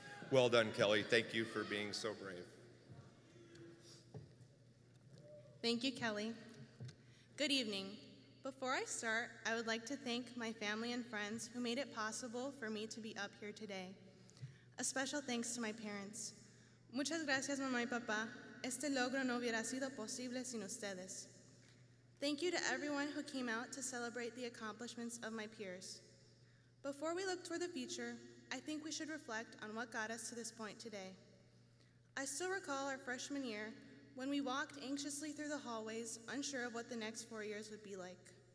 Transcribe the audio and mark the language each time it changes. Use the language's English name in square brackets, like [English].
[English] Well done, Kelly. Thank you for being so brave. Thank you, Kelly. Good evening. Before I start, I would like to thank my family and friends who made it possible for me to be up here today. A special thanks to my parents. [Spanish] Muchas gracias, mamá y papá. Este logro no hubiera sido posible sin ustedes. [English] Thank you to everyone who came out to celebrate the accomplishments of my peers. Before we look toward the future, I think we should reflect on what got us to this point today. I still recall our freshman year, when we walked anxiously through the hallways, unsure of what the next 4 years would be like.